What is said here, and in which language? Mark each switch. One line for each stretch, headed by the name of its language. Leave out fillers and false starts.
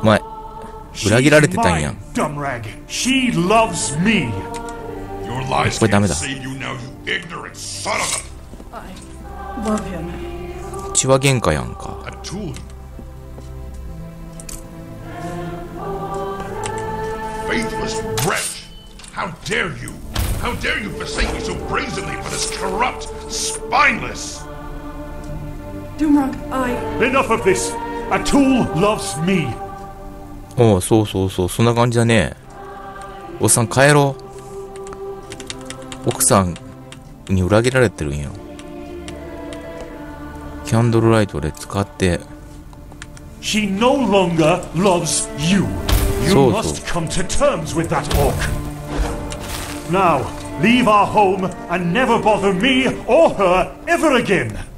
Japanese: お前、裏切られてたんやん。
English: Dumb rag. She loves me. Your lies can't save you now, you ignorant son of a. I love him.
Japanese: 血は限界やんか。
English: A tool. Faithless wretch. How dare you? How dare you forsake me so brazenly for this corrupt, spineless. Doomrock, I... Enough of this! Atul loves me!
Japanese: おう、そうそうそう、そんな感じだね。おっさん帰ろう。奥さんに裏切られてるんよ。キャンドルライトで使って。
English: She no longer loves you. You must come to terms with that orc. Now, leave our home and never bother me or her ever again.